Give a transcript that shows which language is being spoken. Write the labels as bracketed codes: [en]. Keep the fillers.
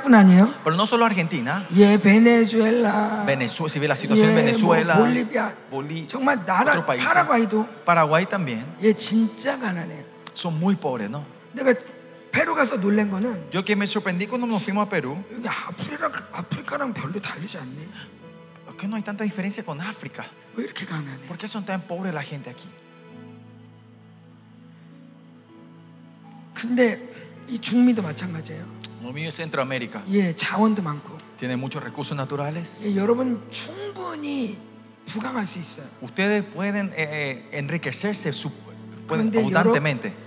[es] Pero no solo Argentina. 예, Venezuela, Venezuela, Venezuela. Si ve la situación en Venezuela. Bolivia. Bolivia Paraguay. Paraguay también. 예, son muy pobres, ¿no? [ko] 페루 가서 놀란 거는 [es] Yo que me sorprendí cuando nos fuimos a Perú. [ko] 아프리카랑, 아프리카랑 별로 다르지 않네. [es] Que no hay tanta diferencia con África. ¿Por qué son tan pobres la gente aquí? [ko] 근데 이 중미도 마찬가지예요. [es] Lo mío es Centroamérica. [ko] 예, 자원도 많고. [es] Tiene muchos recursos naturales. [ko] 예, 여러분 충분히 부강할 수 있어요. [es] Ustedes pueden eh, enriquecerse su, pueden, abundantemente.